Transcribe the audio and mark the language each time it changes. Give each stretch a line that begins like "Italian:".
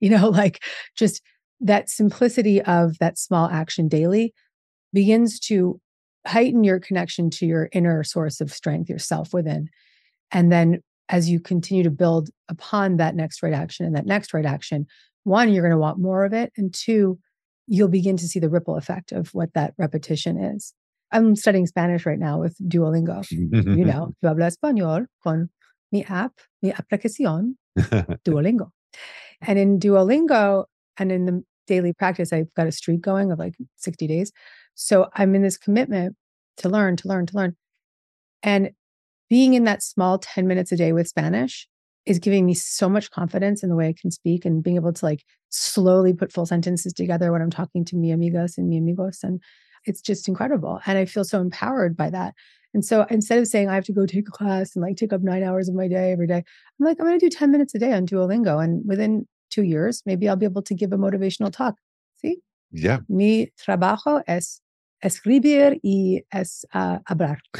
English: You know, like just that simplicity of that small action daily begins to heighten your connection to your inner source of strength, yourself within. And then as you continue to build upon that next right action and that next right action, one, you're going to want more of it. And two, you'll begin to see the ripple effect of what that repetition is. I'm studying Spanish right now with Duolingo. You know,
Spanish: yo hablo español con mi app, mi aplicación, Duolingo.
English: And in Duolingo and in the daily practice, I've got a streak going of like 60 days. So I'm in this commitment to learn, to learn, to learn. And being in that small 10 minutes a day with Spanish is giving me so much confidence in the way I can speak and being able to like slowly put full sentences together when I'm talking to
Spanish: mi amigas
English: and
Spanish: mi amigos.
English: And it's just incredible. And I feel so empowered by that. And so instead of saying I have to go take a class and like take up 9 hours of my day every day, I'm like, I'm going to do 10 minutes a day on Duolingo. And within 2 years, maybe I'll be able to give a motivational talk. See? Yeah.
Spanish: Mi trabajo es escribir y es hablar.